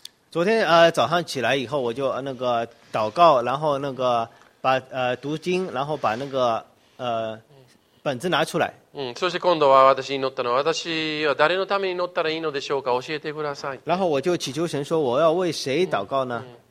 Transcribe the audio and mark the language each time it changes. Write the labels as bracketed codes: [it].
[zh] 昨天早上起来以后我就那个祷告，然后那个把读经，然后把那个本子拿出来。 [ja] そして今度は私祈ったのは、私は誰のために祈ったらいいのでしょうか、教えてください。 [zh] 然后我就祈求神说，我要为谁祷告呢？